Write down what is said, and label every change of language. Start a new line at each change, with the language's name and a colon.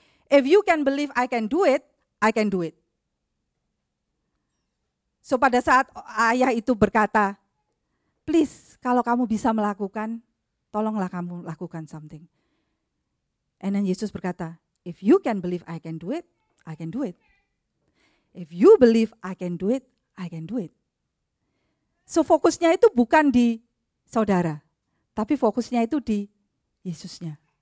English: If you can believe I can do it, I can do it.
Indonesian: So pada saat ayah itu berkata,
English: please
Indonesian: kalau kamu bisa melakukan, tolonglah kamu lakukan something.
English: And then
Indonesian: Yesus berkata,
English: if you can believe I can do it, I can do it. If you believe I can do it, I can do it.
Indonesian: So fokusnya itu bukan di saudara, tapi fokusnya itu di Yesusnya.